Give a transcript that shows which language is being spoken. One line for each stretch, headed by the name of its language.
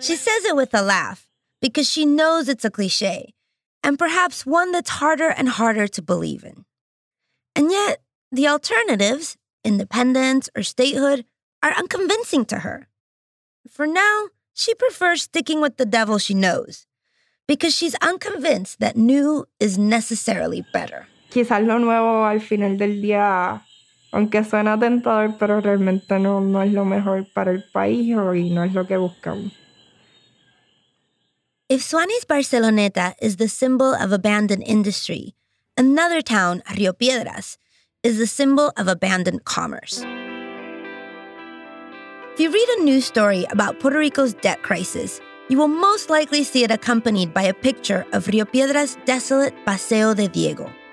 English: She says it with a laugh, because she knows it's a cliche, and perhaps one that's harder and harder to believe in. And yet, the alternatives, independence or statehood, are unconvincing to her. For now, she prefers sticking with the devil she knows, because she's unconvinced that new is necessarily better.
Spanish: Quizás lo nuevo al final del día, aunque suena tentador, pero realmente no es lo mejor para el país y no es lo que buscamos.
English: If Swani's Barceloneta is the symbol of abandoned industry, another town, Río Piedras, is the symbol of abandoned commerce. If you read a news story about Puerto Rico's debt crisis, you will most likely see it accompanied by a picture of Río Piedras' desolate Paseo de Diego.